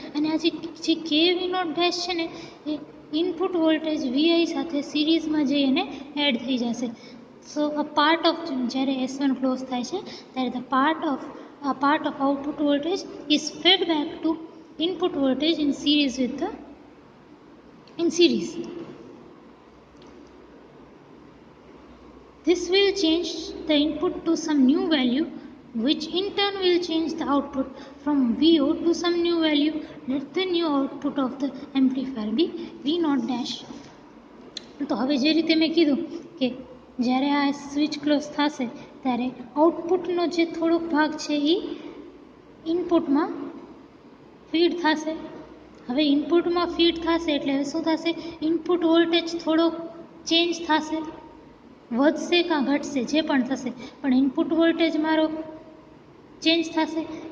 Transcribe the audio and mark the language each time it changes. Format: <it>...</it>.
<gu>અને આ જે KV0' છે ને એ ઇનપુટ વોલ્ટેજ VI સાથે સિરીઝમાં જઈ એને એડ થઈ જશે.</gu> <en>so a part of</en> <gu>જ્યારે S1 ક્લોઝ થાય છે ત્યારે</gu> <en>The part of output voltage is fed back to input voltage in series. This will change the input to some new value, which in turn will change the output from VO to some new value. Let the new output of the amplifier be V0'.</en> <gu>તો હવે જે રીતે મેં કીધું કે જ્યારે આ switch close થશે ત્યારે આઉટપુટનો જે થોડોક ભાગ છે એ ઇનપુટમાં ફીડ થશે. હવે ઇનપુટમાં ફીડ થશે એટલે હવે શું થશે, ઇનપુટ વોલ્ટેજ થોડોક ચેન્જ થશે, વધશે કાં ઘટશે જે પણ થશે પણ ઇનપુટ વોલ્ટેજ મારો ચેન્જ થશે.</gu>